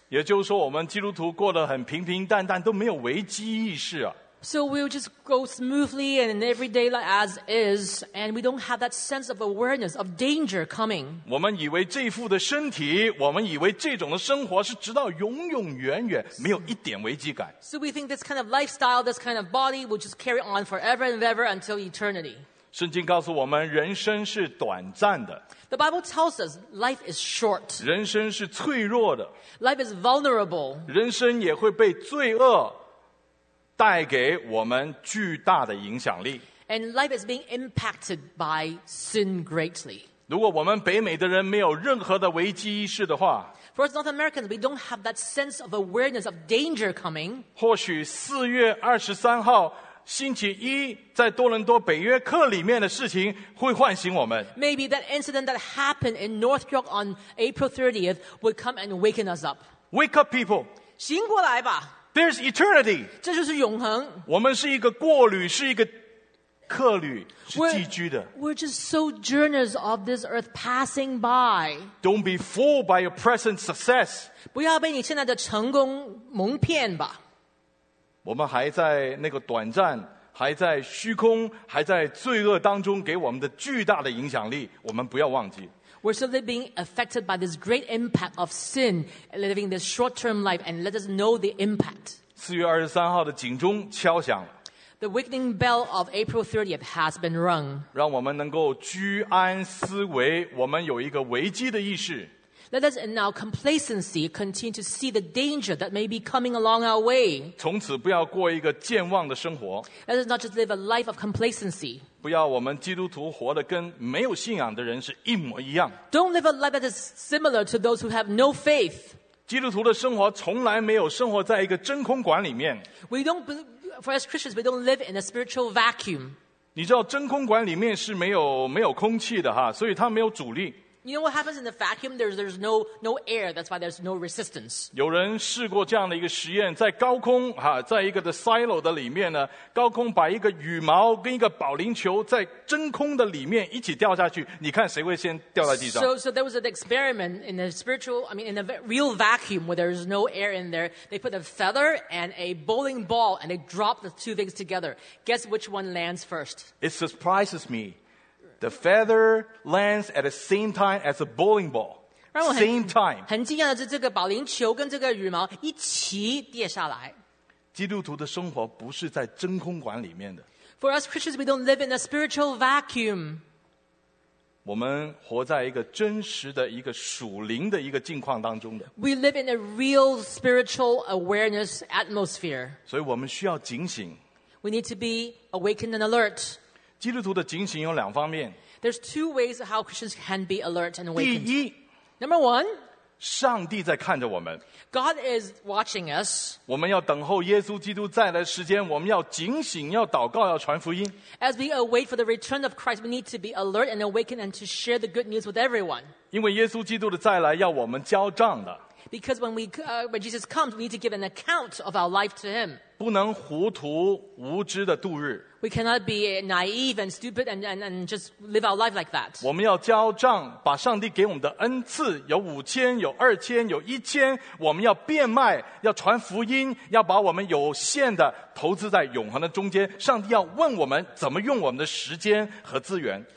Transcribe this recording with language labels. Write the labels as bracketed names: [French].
[Chinese] 也就是说我们基督徒过得很平平淡淡都没有危机意识啊。 [English] So we'll just go smoothly and in everyday life as is, and we don't have that sense of awareness of danger coming. [Chinese] 我们以为这副的身体，我们以为这种的生活是直到永永远远，没有一点危机感。 [English] So we think this kind of lifestyle, this kind of body will just carry on forever and ever until eternity. [Chinese] 圣经告诉我们人生是短暂的。 [English] The Bible tells us life is short. [Chinese] 人生是脆弱的。 [English] Life is vulnerable. [Chinese] 人生也会被罪恶带给我们巨大的影响力。 [English] And life is being impacted by sin greatly. [Chinese] 如果我们北美的人没有任何的危机意识的话， [English] For us North Americans, we don't have that sense of awareness of danger coming. [Chinese] 或许4月23号星期一在多伦多北约克里面的事情会唤醒我们。 [English] Maybe that incident that happened in North York on April 30th would come and waken us up. Wake up, people. [Chinese] 醒过来吧。 [English] There's eternity. [Chinese] 这就是永恒。我们是一个过旅，是一个客旅，是寄居的。 [English] We're just sojourners of this earth passing by. Don't be fooled by your present success. [Chinese] 不要被你现在的成功蒙骗吧。我们还在那个短暂，还在虚空，还在罪恶当中给我们的巨大的影响力，我们不要忘记。 [English] We're simply being affected by this great impact of sin, living this short-term life, and let us know the impact. [Chinese] 4月23号的警钟敲响了。 [English] The wakening bell of April 30th has been rung. [Chinese] 让我们能够居安思危，我们有一个危机的意识。 [English] Let us in our complacency continue to see the danger that may be coming along our way. [Chinese] 从此不要过一个健忘的生活。 [English] Let us not just live a life of complacency. [Chinese] 不要我们基督徒活得跟没有信仰的人是一模一样。 [English] Don't live a life that is similar to those who have no faith. [Chinese] 基督徒的生活从来没有生活在一个真空管里面。 [English] We don't believe, for as Christians, we don't live in a spiritual vacuum. [Chinese] 你知道真空管里面是没有空气的哈，所以它没有阻力。 [English] You know what happens in the vacuum? There's no air. That's why there's no resistance. [Chinese] 有人试过这样的一个实验，在高空哈，在一个的 silo 的里面呢，高空把一个羽毛跟一个保龄球在真空的里面一起掉下去，你看谁会先掉在地上 [English] ？So there was an experiment in a spiritual, I mean, in a real vacuum where there's no air in there. They put a feather and a bowling ball, and they drop the two things together. Guess which one lands first? It surprises me. The feather lands at the same time as a bowling ball. Same time. [Chinese] 很惊讶的是这个保龄球跟这个羽毛一起跌下来。基督徒的生活不是在真空管里面的。 [English] For us Christians, we don't live in a spiritual vacuum. [Chinese] 我们活在一个真实的一个属灵的一个境况当中的。 [English] We live in a real spiritual awareness atmosphere. [Chinese] 所以我们需要警醒。 [English] We need to be awakened and alert. [Chinese] 基督徒的警醒有两方面。 [English] There's two ways how Christians can be alert and awakened. [Chinese] 第一 [English] ，Number one， [Chinese] 上帝在看着我们。 [English] God is watching us. [Chinese] 我们要等候耶稣基督再来时间，我们要警醒，要祷告，要传福音。 [English] As we await for the return of Christ, we need to be alert and awakened and to share the good news with everyone. [Chinese] 因为耶稣基督的再来要我们交账的。 [English] Because when Jesus comes, we need to give an account of our life to Him. [Chinese] 不能糊涂无知的度日。 [English] We cannot be naive and stupid and just live our life like that. [Chinese] 我们要交账，把上帝给我们的恩赐，有五千，有二千，有一千，我们要变卖，要传福音，要把我们有限的投资在永恒的中间。上帝要问我们怎么用我们的时间和资源。